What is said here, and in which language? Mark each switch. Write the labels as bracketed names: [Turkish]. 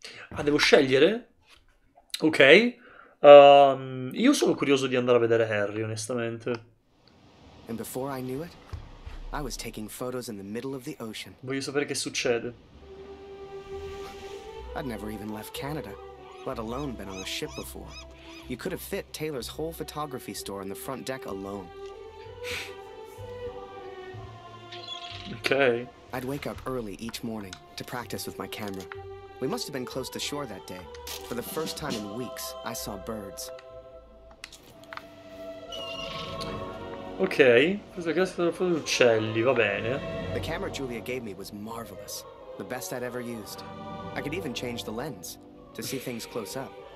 [Italian] Ah, devo scegliere? Ok. Io sono curioso di andare a vedere Harry, onestamente. [English] And before I knew it, I was taking photos in the middle of the ocean. [Italian] Voglio sapere che succede. [English] I'd never even left Canada, let alone been on a ship before. You could have fit Taylor's whole photography store in the front deck alone. Okay. I'd wake up early each morning to practice with my camera. We must have been close to shore that day. For the first time in weeks, I saw birds. [Italian] Ok, questa casa della foto di uccelli, va bene. [English] The camera Julia gave me was marvelous. The best I'd ever used. I could even change the lens to see things close up.